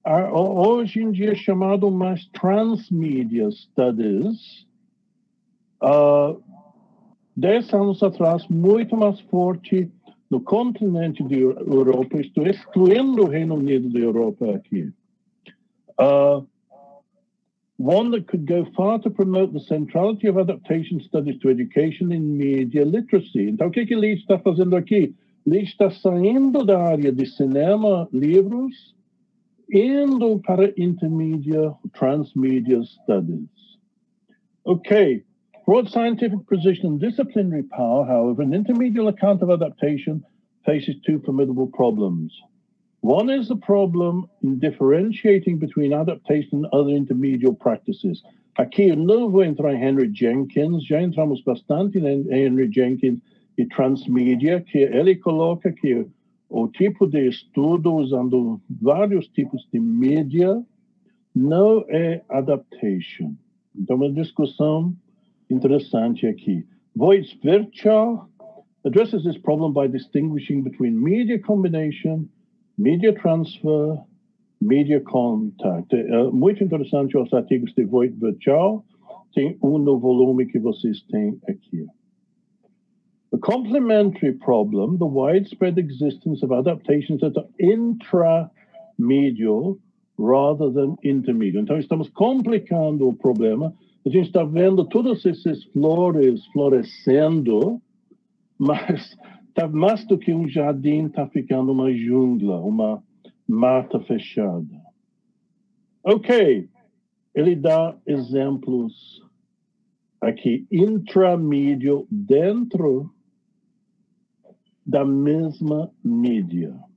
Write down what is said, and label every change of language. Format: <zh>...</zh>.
<pt>hoje em dia chamado mais Transmedia Studies, 10 anos atrás, muito mais forte no continente de Europa, estou excluindo o Reino Unido da Europa aqui.</pt> <en>One that could go far to promote the centrality of adaptation studies to education in media literacy.</en> <pt>Então, o que que Lee está fazendo aqui? Lee está saindo da área de cinema, livros, indo para intermedia, transmedia studies.</pt> <en>Okay. Broad scientific position and disciplinary power, however, an intermedial account of adaptation faces two formidable problems. One is the problem in differentiating between adaptation and other intermedial practices.</en> <pt>Aqui, eu não vou entrar em Henry Jenkins. Já entramos bastante em Henry Jenkins e transmedia, que ele coloca que o tipo de estudo usando vários tipos de mídia não é adaptation. Então, uma discussão interessante aqui.</pt> <en>Voice Virtual addresses this problem by distinguishing between media combination, media transfer, media contact.</en> <pt>Muito interessante os artigos de Voight Virchow. Tem no volume que vocês têm aqui.</pt> <en>The complementary problem, the widespread existence of adaptations that are intramedial rather than intermedial.</en> <pt>Então, estamos complicando o problema. A gente está vendo todas essas flores florescendo, mas... Tá mais do que jardim, está ficando uma jungla, uma mata fechada. Ok, ele dá exemplos aqui, intramídio, dentro da mesma mídia.</pt>